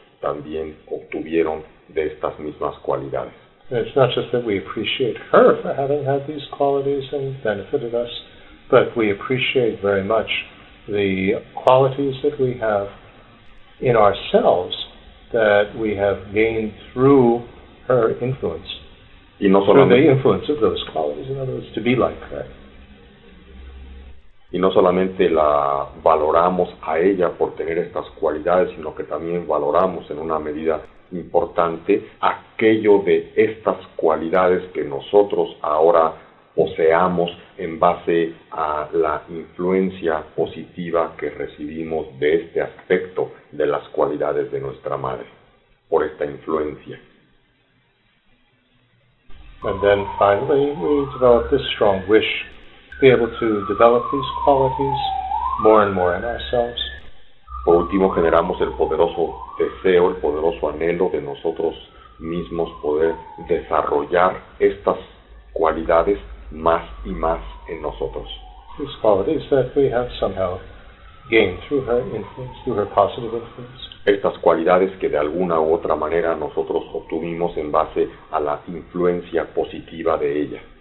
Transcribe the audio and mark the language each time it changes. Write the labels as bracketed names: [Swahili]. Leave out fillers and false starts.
[Spanish] también obtuvieron de estas mismas cualidades. [English] It's not just that we appreciate her for having had these qualities and benefited us, but we appreciate very much the qualities that we have in ourselves that we have gained through her influence. [Spanish] Y no [English] through the influence of those qualities, in other words, to be like her. [Spanish] Y no solamente la valoramos a ella por tener estas cualidades, sino que también valoramos en una medida importante aquello de estas cualidades que nosotros ahora poseamos en base a la influencia positiva que recibimos de este aspecto de las cualidades de nuestra madre, por esta influencia. [English] And then finally we develop this strong wish to be able to develop these qualities more and more in ourselves. [Spanish] Por último, generamos el poderoso deseo, el poderoso anhelo de nosotros mismos poder desarrollar estas cualidades más y más en nosotros. [English] These qualities that we have somehow gained through her influence, through her positive influence. [Spanish] Estas cualidades que de alguna u otra manera nosotros obtuvimos en base a la influencia positiva de ella.